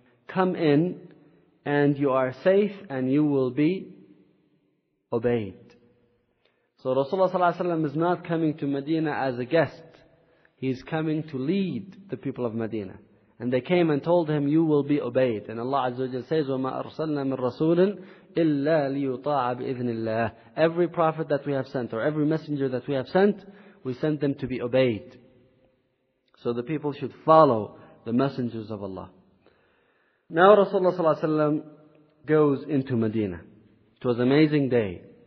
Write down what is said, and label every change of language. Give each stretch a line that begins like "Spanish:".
English: Come in, and you are safe, and you will be obeyed. So Rasulullah ﷺ is not coming to Medina as a guest. He's coming to lead the people of Medina. And they came and told him, "You will be obeyed." And Allah Azza wa Jalla says,
Arabic: "وَمَا أَرْسَلْنَا مِن رَسُولٍ إِلَّا لِيُطَاعَ بِإِذْنِ اللَّهِ."
English: Every prophet that we have sent, or every messenger that we have sent, we send them to be obeyed. So the people should follow the messengers of Allah. Now Rasulullah ﷺ goes into Medina. It was an amazing day.